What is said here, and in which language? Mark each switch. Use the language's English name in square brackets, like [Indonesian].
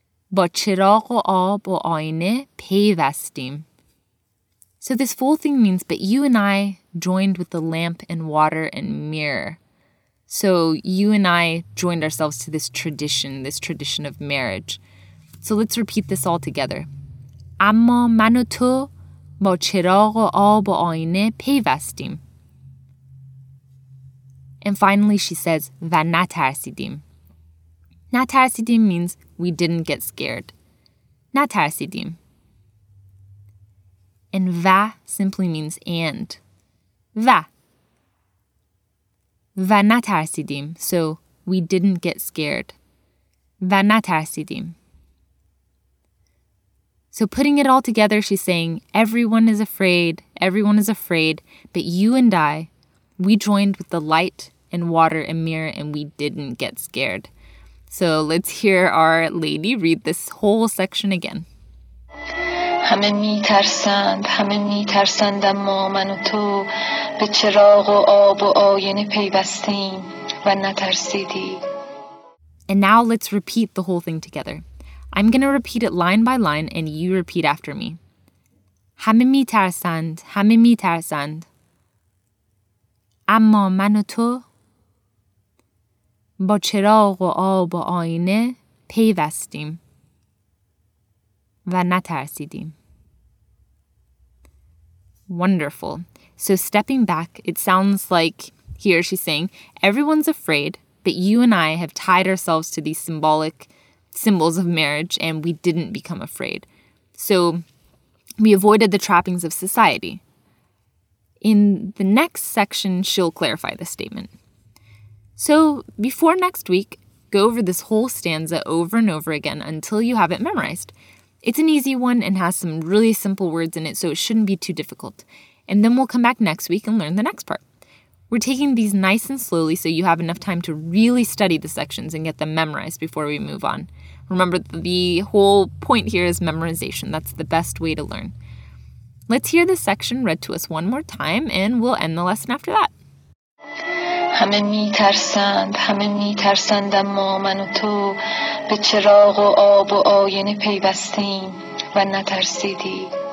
[Persian] با چراغ و آب و آینه پیوستیم. [English] So this full thing means, but you and I joined with the lamp and water and mirror. So you and I joined ourselves to this tradition of marriage. So let's repeat this all together. [Persian] اما من و تو با چراغ و آب و آینه پیوستیم. [English] And finally she says, [Persian] و نترسیدیم. [English] نترسیدیم means we didn't get scared. نترسیدیم. And va simply means and. Va. Va [Persian] نترسیدیم. [English] So we didn't get scared. [Persian] Va نترسیدیم. [English] So putting it all together, she's saying, everyone is afraid, everyone is afraid, but you and I, we joined with the light and water and mirror and we didn't get scared. So let's hear our lady read this whole section again. [Persian] همه میترسند، همه میترسند، اما من و تو به چراغ و آب و آینه پیوستیم و نترسیدی. [English] And now let's repeat the whole thing together. I'm going to repeat it line by line and you repeat after me. [Persian] همه میترسند، همه میترسند، اما من و تو با چراغ و آب و آینه پیوستیم و نترسیدیم. [English] Wonderful. So stepping back, it sounds like here she's saying, everyone's afraid, but you and I have tied ourselves to these symbolic symbols of marriage and we didn't become afraid. So we avoided the trappings of society. In the next section, she'll clarify the statement. So before next week, go over this whole stanza over and over again until you have it memorized. It's an easy one and has some really simple words in it, so it shouldn't be too difficult. And then we'll come back next week and learn the next part. We're taking these nice and slowly so you have enough time to really study the sections and get them memorized before we move on. Remember, the whole point here is memorization. That's the best way to learn. Let's hear this section read to us one more time and we'll end the lesson after that. [Persian] همه میترسند، همه میترسند، اما من و تو به چراغ و آب و آینه پیوستیم و نترسیدی.